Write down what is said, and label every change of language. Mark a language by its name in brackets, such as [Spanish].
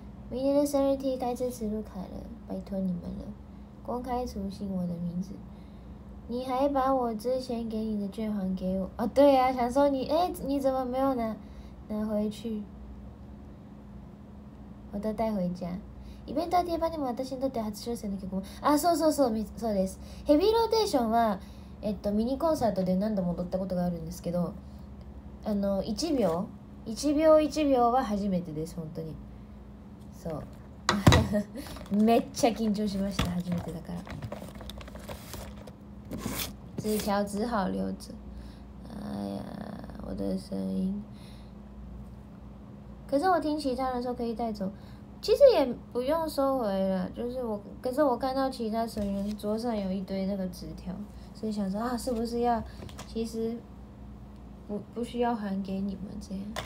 [Chinese] 明年的生日 T 该支持卢卡了，拜托你们了。公开处刑我的名字，你还把我之前给你的券还给我？哦，对啊，想说你，你怎么没有拿回去？我都带回家。 [Japanese] イベントといえばでも私にとって初挑戦の曲も、あ、そうそうそう、そうです。ヘビーローテーションはミニコンサートで何度も踊ったことがあるんですけど、あの1秒1秒1秒は初めてです。本当にそう。めっちゃ緊張しました、初めてだから。 [Chinese] 字条只好留着。哎呀，我的声音，可是我听其他人说可以带走，其实也不用收回了，就是我，可是我看到其他成员桌上有一堆那个纸条，所以想说啊，是不是要，其实不需要还给你们这样。